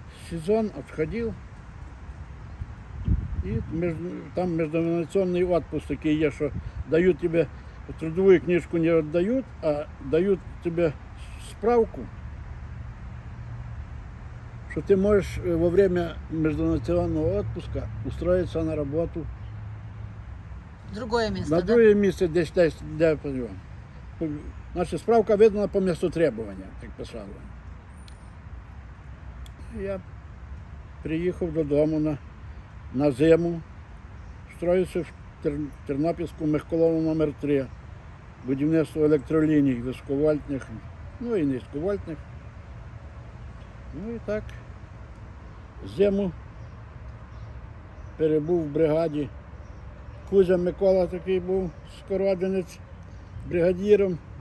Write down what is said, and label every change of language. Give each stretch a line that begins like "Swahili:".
Ukrainian: Сезон відходив. І там міжнаціональний відпуск такий є, що дають тебе. Трудову книжку не віддають, а дають тобі справку,
Russian: что ты можешь во время междунационального отпуска устроиться на работу. Другое место, на другое место, где считаешь, я понял. Значит, справка выдана по месту требования, так писала. Я приехал додому на зиму, строился в Тернопільську Мехколову номер 3.
Ukrainian: Будівництво електроліній високовольтних, ну і низьковольтних. Ну і так, зиму перебув в бригаді. Кузя Микола такий був, скородинець, бригадіром.